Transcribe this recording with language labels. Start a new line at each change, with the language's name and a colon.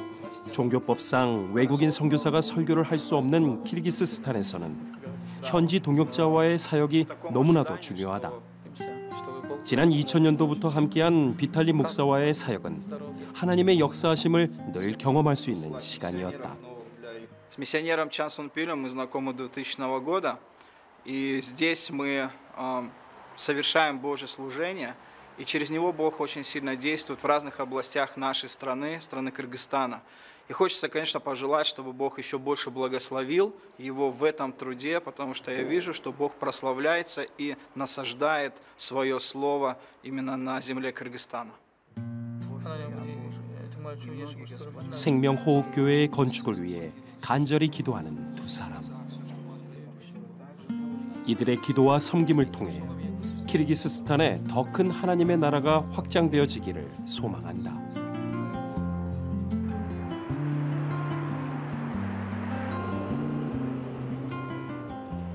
Korean: 종교법상 외국인 선교사가 설교를 할 수 없는 키르기스스탄에서는 현지 동역자와의 사역이 너무나도 중요하다. 지난 2000년도부터 함께한 비탈리 목사와의 사역은 하나님의 역사하심을 늘 경험할 수 있는 시간이었다.
Russian: 미션ером Чансон Пилем мы знакомы 2000 года. И здесь мы совершаем Божье служение, и через него Бог очень сильно действует в разных областях нашей страны, страны Кыргызстана. И хочется, конечно, пожелать, чтобы Бог еще больше благословил его в этом труде, потому что я вижу, что Бог прославляется и насаждает свое слово именно на земле Кыргызстана.
Korean: 생명호흡교회의 건축을 위해 간절히 기도하는 두 사람. 이들의 기도와 섬김을 통해 키르기스스탄에 더 큰 하나님의 나라가 확장되어지기를 소망한다.